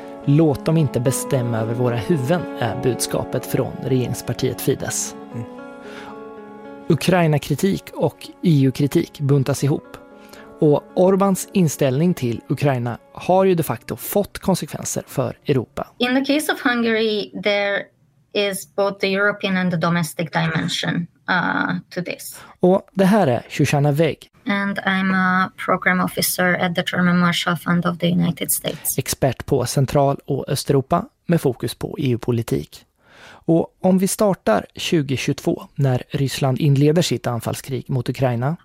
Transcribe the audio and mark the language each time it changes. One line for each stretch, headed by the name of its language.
Swedish: Låt dem inte bestämma över våra huvuden, är budskapet från regeringspartiet Fidesz. Ukraina-kritik och EU-kritik buntas ihop. Och Orbáns inställning till Ukraina har ju de facto fått konsekvenser för Europa.
English: In the case of Hungary, there is both the European and the domestic dimension to this.
Swedish: Och det här är Shoshana Vegg.
English: And I'm a program officer at the German Marshall Fund of the United States.
Swedish: Expert på Central- och Östeuropa med fokus på EU-politik. Och om vi startar 2022 när Ryssland inleder sitt anfallskrig mot Ukraina.